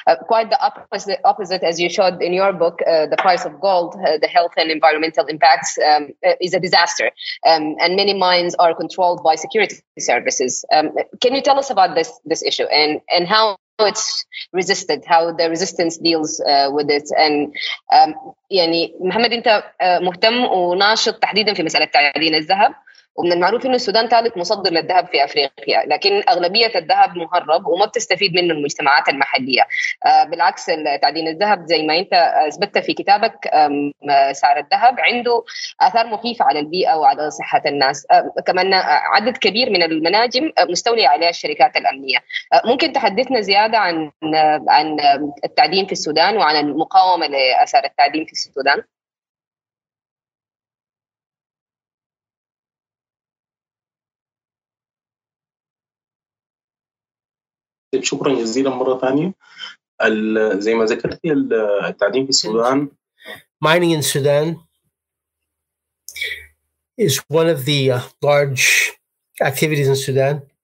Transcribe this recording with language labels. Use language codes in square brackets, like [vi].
[en] Quite the opposite, as you showed in your book, the price of gold, the health and environmental impacts is a disaster, and many mines are controlled by security services. Can you tell us about this issue and how it's resisted, how the resistance deals with it? [ar] And يعني محمد انت مهتم وناشط تحديدا في مسألة تعدين الذهب. ومن المعروف أن السودان ثالث مصدر للذهب في أفريقيا، لكن أغلبية الذهب مهرب وما بتستفيد منه المجتمعات المحلية. بالعكس، تعدين الذهب زي ما أنت أثبتت في كتابك، سعر الذهب عنده آثار مخيفة على البيئة وعلى صحة الناس، كمان عدد كبير من المناجم مستولية عليها الشركات الأمنية. ممكن تحدثنا زيادة عن التعدين في السودان وعن المقاومة لأسعار التعدين في السودان؟ شكرا جزيلا مره ثانيه. زي ما ذكرت التعدين في السودان. [en] Mining in Sudan is one of the large activities in Sudan.